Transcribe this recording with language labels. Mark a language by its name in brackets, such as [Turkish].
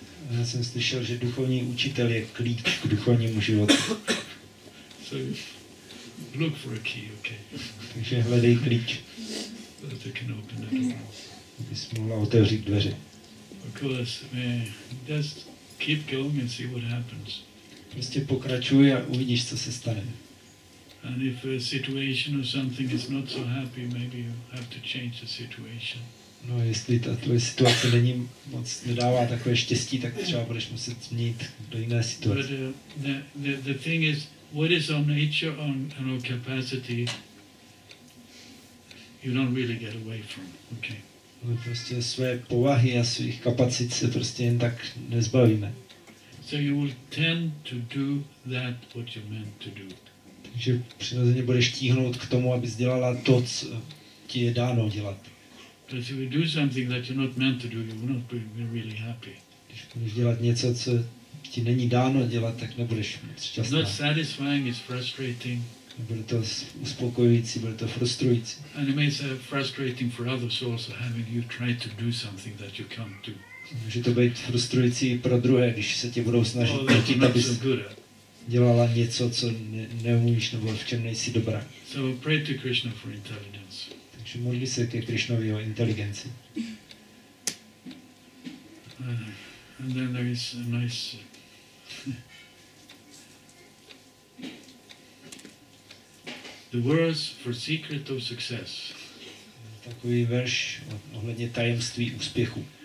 [Czech] Já jsem slyšel, že duchovní učitel je klíč k duchovnímu životu. [English] So look for a key, okay. [Czech] Takže hledej klíč. [English] That can open the door. [Czech] Abys mohla otevřít dveře. [English] Of course, man, just keep going and see what happens. [Czech] Prostě pokračuj a uvidíš, co se stane. [English] And if a situation or something is not so happy, maybe you have to change the situation. [Czech] No, jestli ta tvoje situace není moc nedává takové štěstí, tak třeba budeš muset změnit do jiné situace. [English] But the thing is, what is our nature and our capacity, you don't really get away from, okay? [Czech] No, prostě své povahy a svých kapacit se prostě jen tak nezbavíme. [English] So you will tend to do that what you're meant to do. [Czech] Takže přirozeně budeš tíhnout k tomu, abys dělala to, co ti je dáno dělat. [English] But if you do something that you're not meant to do, you will not be really happy. [Czech] Když budeš dělat něco, co ti není dáno dělat, tak nebudeš šťastná. [English] It's not satisfying, it's frustrating. [Czech] Bude to uspokojující, bude to frustrující. [English] And it may be frustrating for others also having you try to do something that you can't do. [Czech] Může to být frustrující pro druhé, když se tě budou snažit nutit, abys... So dělala něco, co neumíš nebo v čem nejsi dobrá. [English] So pray to Krishna for intelligence. [Czech] Takže modli se ke Krishnovi o inteligenci. [English] And then there is a nice the words for secret of success. [Czech] Takový verš ohledně tajemství úspěchu.